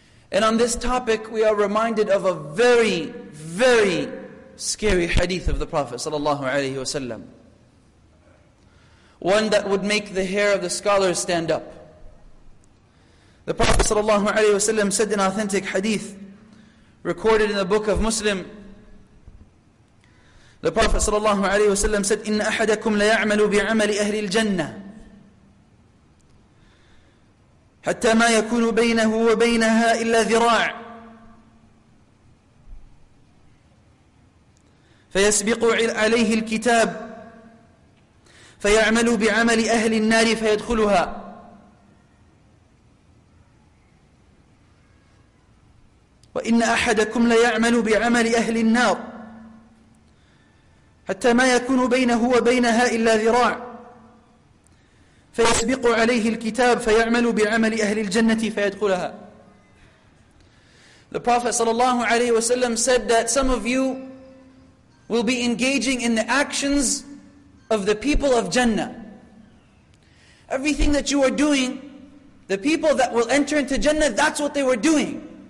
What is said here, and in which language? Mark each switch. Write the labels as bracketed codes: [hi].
[en] And on this topic, we are reminded of a very, very scary hadith of the Prophet sallallahu alaihi wasallam. One that would make the hair of the scholars stand up. The Prophet sallallahu alaihi wasallam said an authentic hadith recorded in the book of Muslim. The Prophet sallallahu alaihi wasallam said, [ar] "Inna ahadakum la ya'malu bi 'amali ahli al-jannah حتى ما يكون بينه وبينها إلا ذراع فيسبق عليه الكتاب فيعمل بعمل أهل النار فيدخلها." وإن أحدكم ليعمل بعمل أهل النار حتى ما يكون بينه وبينها إلا ذراع فيسبق عليه الكتاب فيعمل بعمل أهل الجنة فيدخلها. [en] The Prophet sallallahu alaihi wasallam said that some of you will be engaging in the actions of the people of Jannah. Everything that you are doing, the people that will enter into Jannah, that's what they were doing.